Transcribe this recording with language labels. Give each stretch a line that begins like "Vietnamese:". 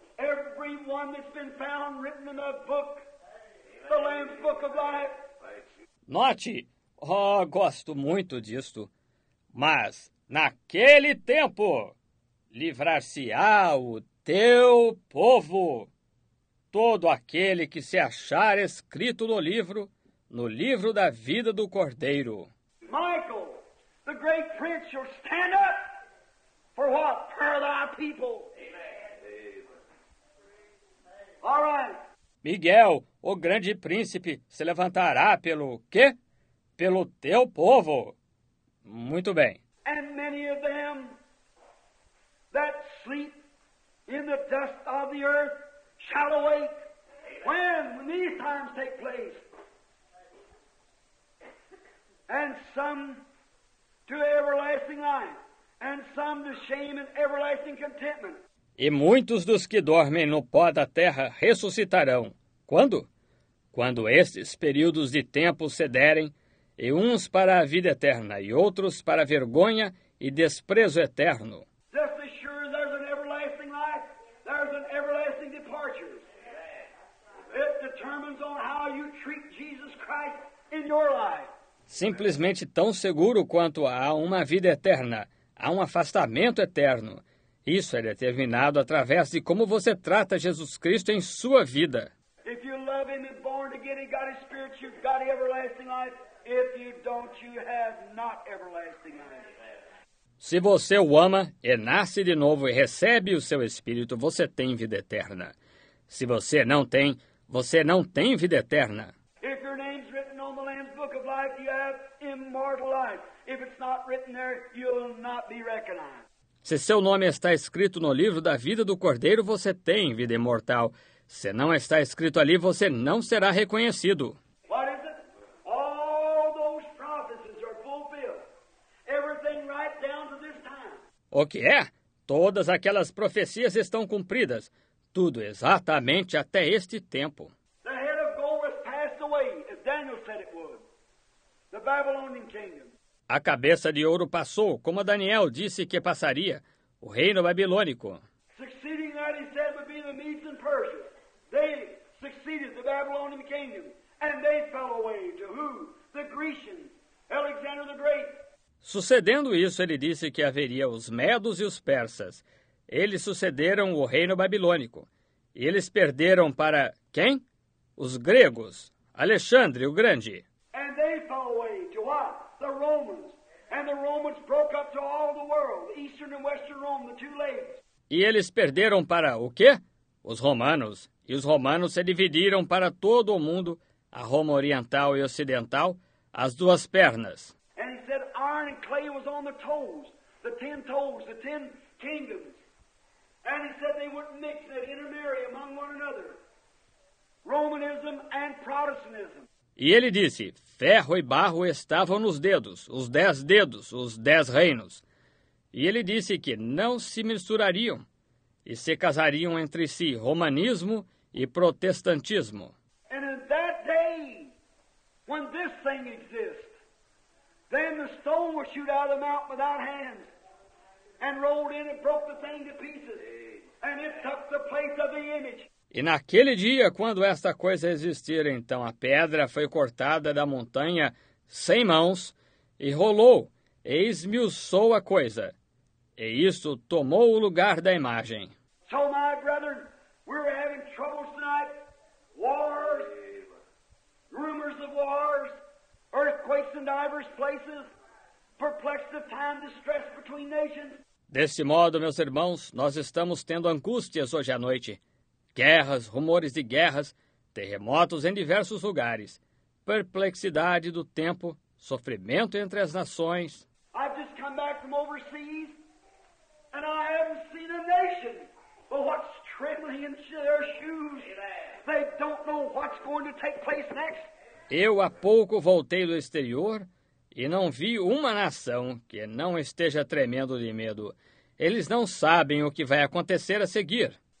English: Everyone that's been found written in that book, Amen. The Lamb's Book of Life.
Portuguese: Note, oh, gosto muito disto, mas naquele tempo livrar-se-á o teu povo. Todo aquele que se achar escrito no livro da vida do Cordeiro.
English: Michael, the great prince, shall stand up for what? For thy people. Amen. All right.
Portuguese: Miguel, o grande príncipe, se levantará pelo quê? Pelo teu povo. Muito bem.
English: And many of them that sleep in the dust of the earth shall awake. Amen. When these times take place. And some to everlasting life. And some to shame and everlasting contentment.
Portuguese: E muitos dos que dormem no pó da terra ressuscitarão. Quando? Quando estes períodos de tempo cederem, e uns para a vida eterna e outros para a vergonha e desprezo eterno.
English: Just as sure as there's an everlasting life, there's an everlasting departure. It determines on how you treat Jesus Christ in your life.
Portuguese: Simplesmente tão seguro quanto há uma vida eterna, há um afastamento eterno. Isso é determinado através de como você trata Jesus Cristo em sua vida.
English: If you love him and born again and got his spirit, you've got everlasting life. If you don't, you have not everlasting life.
Portuguese: Se você o ama e nasce de novo e recebe o seu espírito, você tem vida eterna. Se você não tem, você não tem vida eterna.
English: If your name's written on the Lamb's Book of Life, you have immortal life. If it's not written there, you'll not be recognized.
Portuguese: Se seu nome está escrito no livro da vida do Cordeiro, você tem vida imortal. Se não está escrito ali, você não será reconhecido.
English: What is it? All those prophecies are fulfilled. Everything right down to this time.
Portuguese: O que é? Todas aquelas profecias estão cumpridas. Tudo exatamente até este tempo.
English: The head of gold has passed away, as Daniel said it would. The Babylonian kingdom.
Portuguese: A cabeça de ouro passou, como Daniel disse que passaria, o reino babilônico.
English: Succeeding that, he said, would be the Medes and Persians. They succeeded the Babylonian kingdom, and they fell away to who? The Grecians, Alexander the Great.
Portuguese: Sucedendo isso, ele disse que haveria os Medos e os Persas. Eles sucederam o reino babilônico. E eles perderam para quem? Os gregos, Alexandre o Grande.
English: And they fell away to what? The Romans, and the Romans broke up to all the world, Eastern and Western Rome, the two legs.
Portuguese: E eles perderam para o quê? Os romanos. E os romanos se dividiram para todo o mundo, a Roma Oriental e Ocidental, as duas pernas.
English: And he said iron and clay was on the toes, the ten toes, the ten kingdoms. And he said they wouldn't mix, they'd intermarry among one another. Romanism and Protestantism.
Portuguese: E ele disse, ferro e barro estavam nos dedos, os dez reinos. E ele disse que não se misturariam e se casariam entre si, romanismo e protestantismo.
English: And in that day, when this thing exists, then the stone will shoot out of the mountain without hands and rolled in and broke the thing to pieces. And it took the place of the image.
Portuguese: E naquele dia, quando esta coisa existir, então a pedra foi cortada da montanha sem mãos e rolou, e esmiuçou a coisa. E isto tomou o lugar da imagem.
English: So, my brethren, we're having troubles tonight. Wars, rumors of wars, earthquakes in diverse places, perplexed time, distress between nations.
Portuguese: Deste modo, meus irmãos, nós estamos tendo angústias hoje à noite. Guerras, rumores de guerras, terremotos em diversos lugares, perplexidade do tempo, sofrimento entre as nações.
English: I've just come back from overseas, and I haven't seen a nation but what's trembling in their shoes. They don't know what's going to take place next.
Portuguese: Eu há pouco voltei do exterior e não vi uma nação que não esteja tremendo de medo. Eles não sabem o que vai acontecer a seguir.